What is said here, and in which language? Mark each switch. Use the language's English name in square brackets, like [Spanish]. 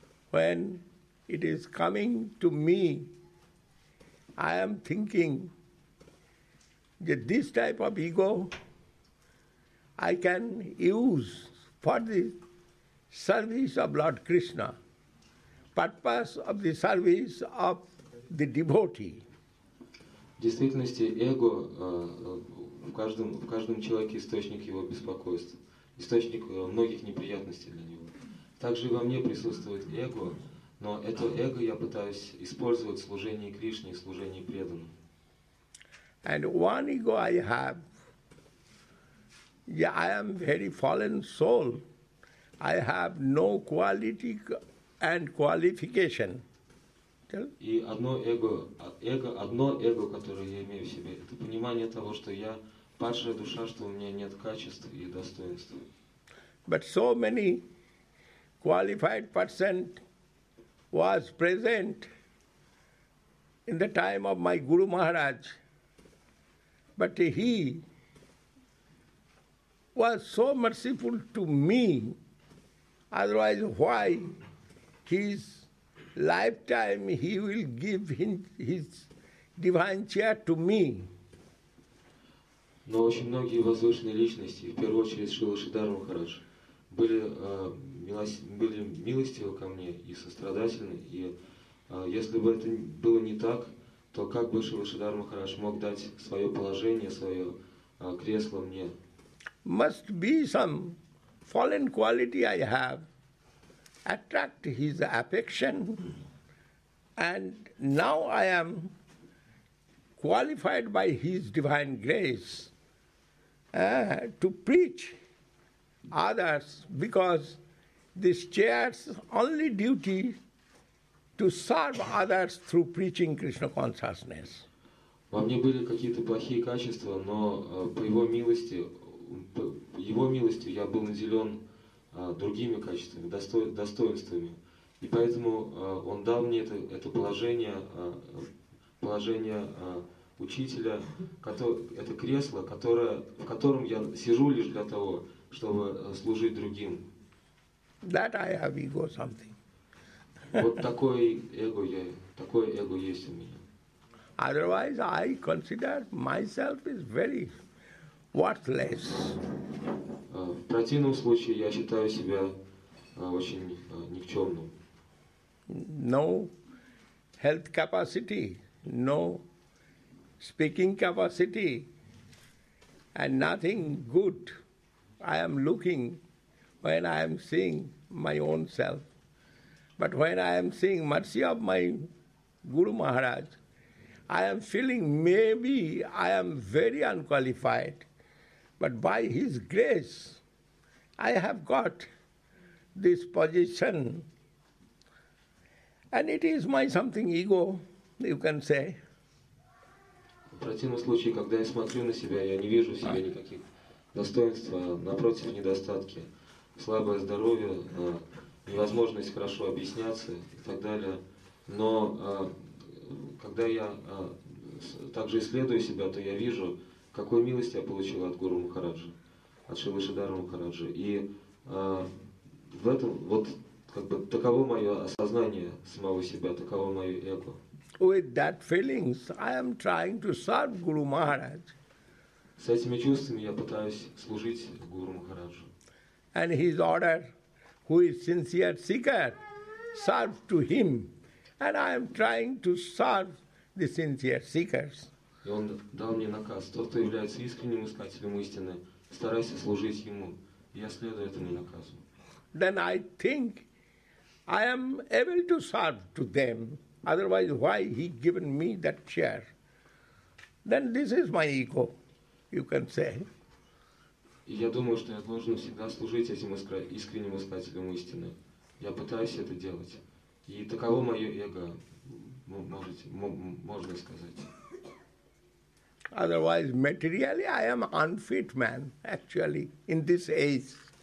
[English] When it is coming to me, I am thinking that this type of ego I can use for the service of Lord Krishna, purpose of the service of the devotee. [Russian] В действительности эго в каждом человеке источник его беспокойства, источник многих неприятностей для него. Также и во мне присутствует эго, но это эго я пытаюсь использовать в служении Кришне, в служении преданным. [English] And one ego I have. Yeah, I am very fallen soul. I have no quality and qualification. [Russian] И одно эго, которое я имею в себе, это понимание того, что я падшая душа, что у меня нет качеств и достоинства. [English] But so many qualified persons was present in the time of my Guru Maharaj. But he was so merciful to me. Otherwise, why his lifetime he will give his divine chair to me? [Russian] Но очень многие возвышенные личности, в первую очередь Шрила Шридхара Махарадж, были милостивы ко мне и сострадательны. И если бы это было не так, то как бы Шрила Шридхара Махарадж мог дать свое положение, свое кресло мне? [English] Must be some fallen quality I have attract his affection, and now I am qualified by his divine grace to preach others, because this chair's only duty to serve others through preaching Krishna consciousness. [Russian] Во мне были какие-то плохие качества, но по его милости я был наделен другими качествами, достоинствами. И поэтому он дал мне это положение, положение учителя, это кресло, в котором я сижу лишь для того, чтобы служить другим. [English] That I have ego something. [Russian] Вот такое эго есть у меня. [English] Otherwise, I consider myself is very worthless. [Russian] В противном случае я считаю себя очень никчемным. [English] No health capacity, no speaking capacity, and nothing good I am looking when I am seeing my own self. But when I am seeing mercy of my Guru Maharaj, I am feeling maybe I am very unqualified, but by his grace, I have got this position. And it is my something ego, you can say. [Russian] В противном случае, когда я смотрю на себя, я не вижу в себе никаких достоинств, а напротив, недостатки. Слабое здоровье, невозможность хорошо объясняться и так далее. Но когда я также исследую себя, то я вижу, какую милость я получил от Гуру Махараджа, от Шрилы Шридхары Махараджа. И в этом вот как бы таково мое осознание самого себя, таково мое эго. [English] With that feelings, I am trying to serve Guru Maharaj. [Russian] С этими чувствами я пытаюсь служить Гуру Махараджу. [English] And his order, who is sincere seeker, serve to him. And I am trying to serve the sincere seekers. [Russian] И он дал мне наказ, тот, кто является искренним искателем истины, старайся служить ему. Я следую этому наказу. [English] Then I think I am able to serve to them. Otherwise, why he given me that chair? then this is my ego, you can say. [Russian] Я думаю, что я должен всегда служить этим искренним искателям истины. Я пытаюсь это делать. И таково мое эго, можно сказать. [English] Otherwise, materially, I am unfit man, actually, in this age.